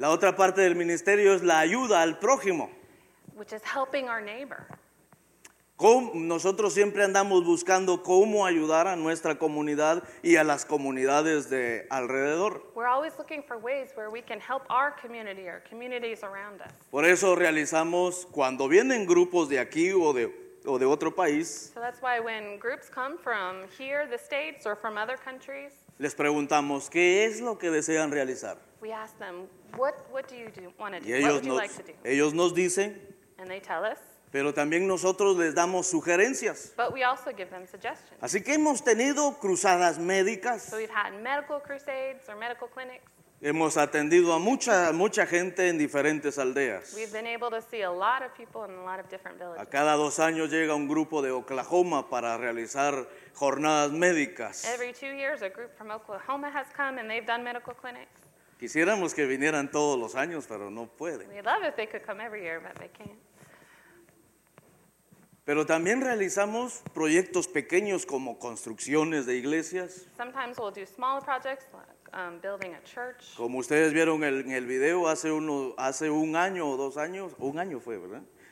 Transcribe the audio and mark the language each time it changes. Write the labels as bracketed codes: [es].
[es] La otra parte del ministerio es la ayuda al prójimo. [en] Which is helping our neighbor. [es] Nosotros siempre andamos buscando cómo ayudar a nuestra comunidad y a las comunidades de alrededor. [en] We're always looking for ways where we can help our community or communities around us. [es] Por eso realizamos cuando vienen grupos de aquí o de otro país. [en] So that's why when groups come from here, the states, or from other countries, [es] les preguntamos qué es lo que desean realizar. [en] We ask them, what do you want to do? What would you like to do? [es] Ellos nos dicen. [en] And they tell us. [es] Pero también nosotros les damos sugerencias. [en] But we also give them suggestions. [es] Así que hemos tenido cruzadas médicas. [en] So we've had medical crusades or medical clinics. [es] Hemos atendido a mucha gente en diferentes aldeas. [en] We've been able to see a lot of people in a lot of different villages. [es] A cada dos años llega un grupo de Oklahoma para realizar jornadas médicas. [en] Every 2 years a group from Oklahoma has come and they've done medical clinics. [es] Quisiéramos que vinieran todos los años, pero no pueden. [en] We'd love if they could come every year, but they can't. [es] Pero también realizamos proyectos pequeños como construcciones de iglesias. [en] Sometimes we'll do small projects like building a church. [es] Como ustedes vieron en el video hace un año o dos años, un año fue, ¿verdad?